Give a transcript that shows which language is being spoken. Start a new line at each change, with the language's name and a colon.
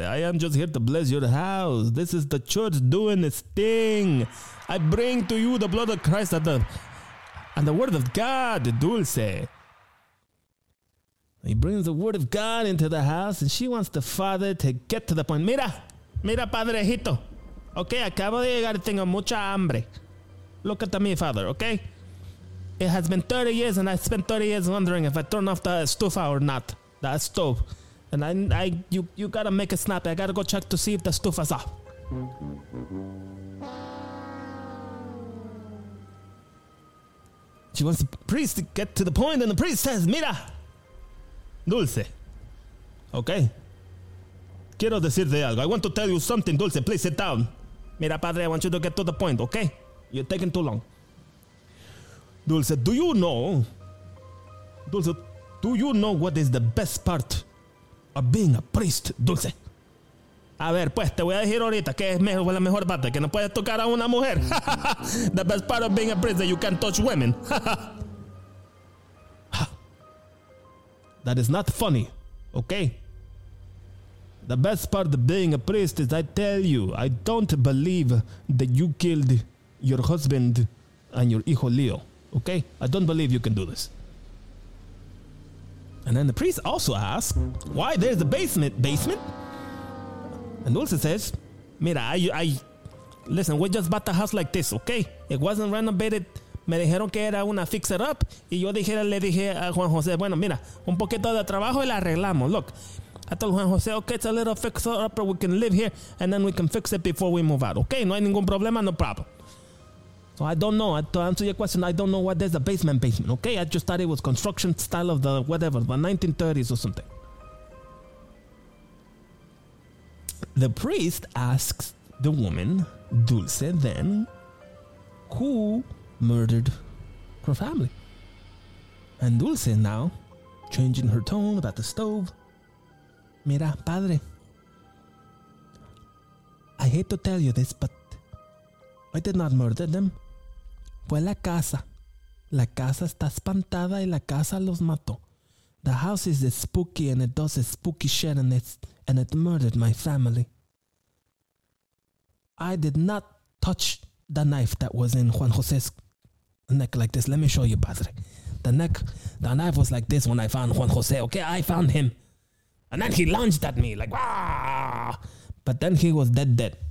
English: I am just here to bless your house. This is the church doing its thing. I bring to you the blood of Christ and the word of God, Dulce. He brings the word of God into the house, and she wants the father to get to the point.
Spanish: Mira, padrejito. Okay, acabo de llegar y tengo mucha hambre.
English: Look at me, father, okay? It has been 30 years, and I spent 30 years wondering if I turn off the estufa or not. That stove. And you gotta make a snap. I gotta go check to see if the stove is off. She wants the priest to get to the point, and the priest says, mira,
Spanish: Dulce. Okay. Quiero decirte algo.
English: I want to tell you something, Dulce. Please sit down.
Spanish: Mira, padre,
English: I want you to get to the point, okay? You're taking too long. Dulce, do you know? Dulce, do you know what is the best part of being a priest, Dulce?
Spanish: A ver, pues, te voy a decir ahorita que es mejor, la mejor parte, que no puedes tocar a una mujer.
English: The best part of being a priest is that you can't touch women. That is not funny, okay? The best part of being a priest is, I tell you, I don't believe that you killed your husband and your hijo Leo, okay? I don't believe you can do this. And then the priest also asks, why there's a basement? And Dulce says, mira, listen, we just bought the house like this, okay? It wasn't renovated.
Spanish: Me dijeron que era una fixer up. Y yo le dije a Juan José, bueno, mira, un poquito de trabajo y la arreglamos.
English: Look, I told Juan José, okay, it's a little fixer up, we can live here, and then we can fix it before we move out, okay?
Spanish: No hay ningún problema,
English: no problem. So I don't know. To answer your question, I don't know what there's a basement, okay? I just thought it was construction style of the whatever, the 1930s or something. The priest asks the woman, Dulce, then, who murdered her family? And Dulce now, changing her tone about the stove.
Spanish: Mira, padre.
English: I hate to tell you this, but I did not murder them.
Spanish: Fue la casa. La casa está espantada y la casa los mató.
English: The house is spooky and it does a spooky shit and it murdered my family. I did not touch the knife that was in Juan José's neck like this. Let me show you, padre. The knife was like this when I found Juan José, okay? I found him. And then he lunged at me like, wah! But then he was dead.